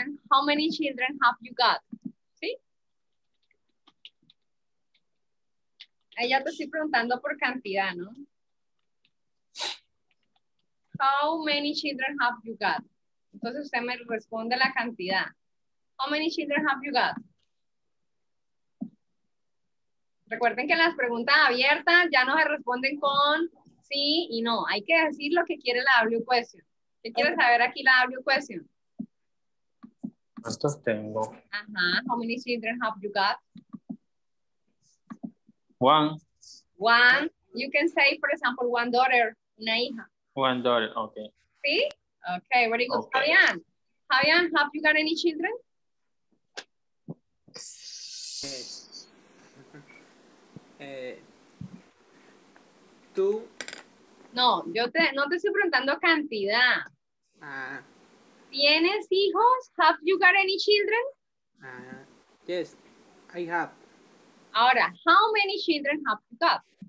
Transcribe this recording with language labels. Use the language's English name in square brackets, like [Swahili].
[English] How many children have you got? [Spanish] ¿Sí? Ahí ya te estoy preguntando por cantidad, ¿no? [English] How many children have you got? [Spanish] Entonces usted me responde la cantidad. [English] How many children have you got? [Spanish] Recuerden que las preguntas abiertas ya no se responden con sí y no. Hay que decir lo que quiere la W question. ¿Qué quiere saber aquí la W question? ¿Cuántos tengo? Ajá. [English] How many children have you got? One. You can say, for example, one daughter, [Spanish] una hija. [English] One daughter, okay. ¿Sí? Okay, very good. Okay. Javián, Javián, have you got any children? [Spanish] Tú. No, yo te, no te estoy preguntando cantidad. Ah. ¿Tienes hijos? [English] Have you got any children? Yes, I have. Ahora, how many children have you got?